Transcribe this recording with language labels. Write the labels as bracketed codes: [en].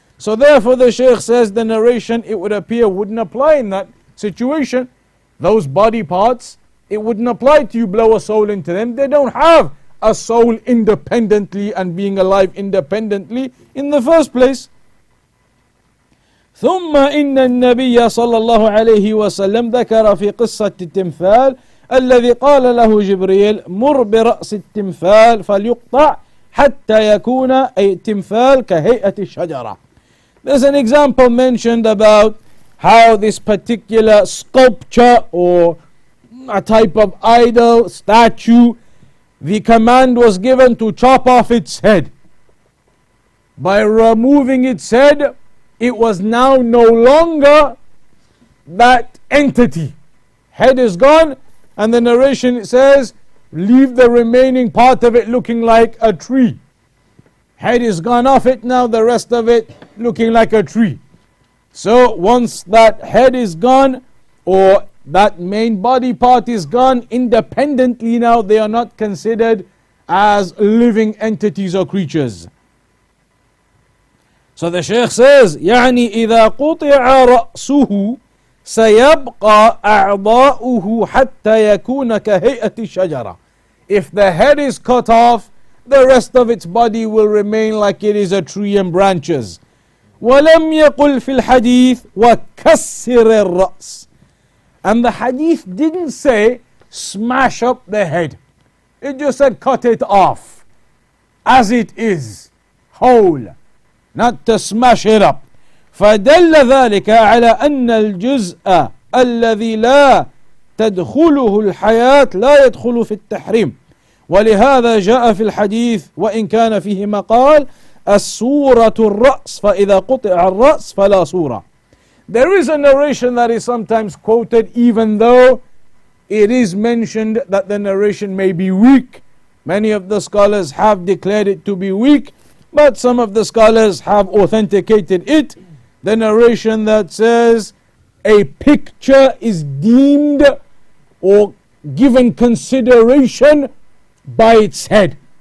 [en] So therefore the Shaykh says the narration, it would appear, wouldn't apply in that situation. Those body parts, it wouldn't apply to you, blow a soul into them. They don't have a soul independently and being alive independently in the first place. [ar] ثم إن النبي صلى الله عليه وسلم ذكر في قصة التمثال الذي قال له جبريل مر برأس التمثال فليقطع حتى يكون أي تمثال كهيئة الشجرة. [en] There's an example mentioned about how this particular sculpture or a type of idol, statue, the command was given to chop off its head. By removing its head, it was now no longer that entity. Head is gone, and the narration says, leave the remaining part of it looking like a tree. Head is gone off it now, the rest of it looking like a tree. So once that head is gone, or that main body part is gone, independently now they are not considered as living entities or creatures. So the Shaykh says, [ar] يعني إذا قطع رأسه سيبقى أعضاؤه حتى يكون كهيئة الشجرة. [en] If the head is cut off, the rest of its body will remain like it is a tree and branches. [ar] وَلَمْ يَقُلْ فِي الْحَدِيثِ وَكَسِّرِ الرَّأْسِ. [en] And the hadith didn't say, smash up the head. It just said, cut it off. As it is. Whole. Not to smash it up. [ar] فَدَلَّ ذَلِكَ عَلَىٰ أَنَّ الْجُزْءَ الَّذِي لَا تَدْخُلُهُ الْحَيَاةِ لَا يَدْخُلُ فِي التَّحْرِيمِ. ولهذا جاء في الحديث وإن كان فيه مقال السورة الرأس فإذا قطع الرأس فلا سورة. [en] There is a narration that is sometimes quoted even though it is mentioned that the narration may be weak. Many of the scholars have declared it to be weak, but some of the scholars have authenticated it. The narration that says a picture is deemed or given consideration by its head.